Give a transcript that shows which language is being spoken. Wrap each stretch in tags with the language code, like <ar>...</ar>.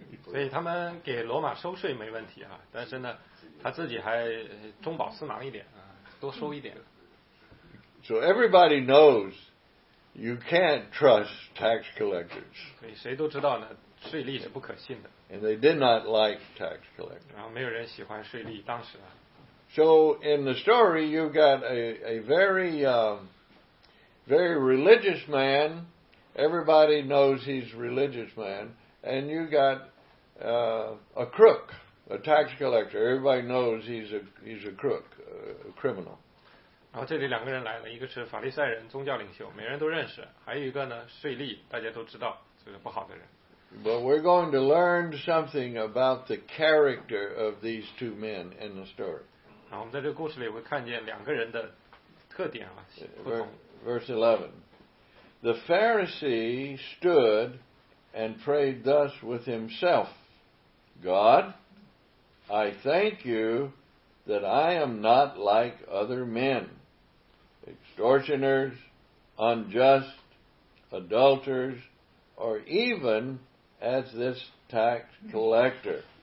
<zh>所以他们给罗马收税没问题啊，但是呢，他自己还中饱私囊一点啊，多收一点。</zh> <en>So everybody knows you can't trust tax collectors.</en> <zh>所以谁都知道呢，税吏是不可信的。</zh> <en>And they did not like tax collectors.</en> <zh>然后没有人喜欢税吏，当时啊。</zh> <en>So in the story, you've got a very religious man. Everybody knows he's a religious man. And you've got a crook, a tax collector. Everybody knows he's a crook, a criminal.</en> <zh>然后这里两个人来了，一个是法利赛人，宗教领袖，每人都认识；还有一个呢，税吏，大家都知道，这个不好的人。</zh> <en>But we're going to learn something about the character of these two men in the story.</en> <zh>啊，我们在这个故事里会看见两个人的特点啊，不同。</zh> <en>Verse 11. The Pharisee stood and prayed thus with himself, God, I thank you that I am not like other men, extortioners, unjust, adulterers, or even as this tax collector.</en>